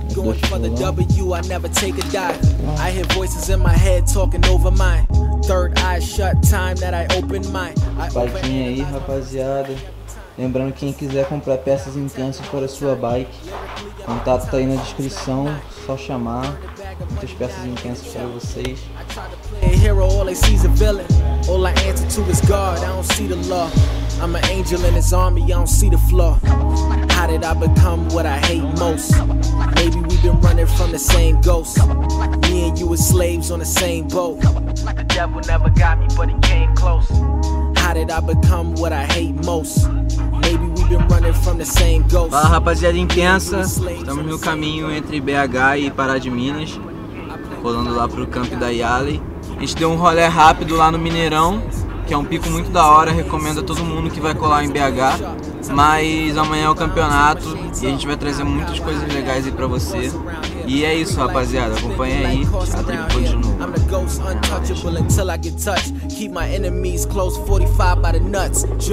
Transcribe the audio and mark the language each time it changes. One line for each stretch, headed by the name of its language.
English: Going for the W, I never take a dive. I hear voices in my head talking over my third eye shut time that I open my.
Portuguese: Partinha aí, rapaziada. Lembrando, quem quiser comprar peças intensas para sua bike, contato tá aí na descrição, só chamar. Muitas peças intensas para vocês.
English: Hero, all I see is a villain. All I answer to is God. I don't see the law. I'm an angel in his army. I don't see the flaw. How did I become what I hate most? Maybe we've been running from the same ghost. Me and you were slaves on the same boat. The devil never got me, but he came close. How did I become what I hate most? Maybe we've been running from the same ghost.
Portuguese: Fala, rapaziada intensa. Estamos no caminho entre BH e Pará de Minas. Rolando lá pro campo da Yale. A gente deu um rolê rápido lá no Mineirão, que é um pico muito da hora, recomendo a todo mundo que vai colar em BH. Mas amanhã é o campeonato e a gente vai trazer muitas coisas legais aí pra você. E é isso, rapaziada, acompanha aí, a tribo foi de novo.
English: I'm the ghost untouchable until I get touched. Keep my enemies close, 45 by the nuts.